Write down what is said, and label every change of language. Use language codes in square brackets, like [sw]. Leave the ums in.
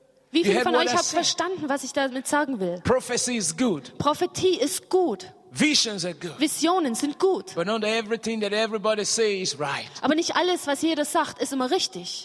[de] Wie viele [en] you heard [de] von euch haben verstanden, was ich damit sagen will? [en] Prophecy is good. [de] Prophetie ist gut. [en] Visions are good. [de] Visionen sind gut. [en] But not everything that everybody says is right. [de] Aber nicht alles, was jeder sagt, ist immer richtig.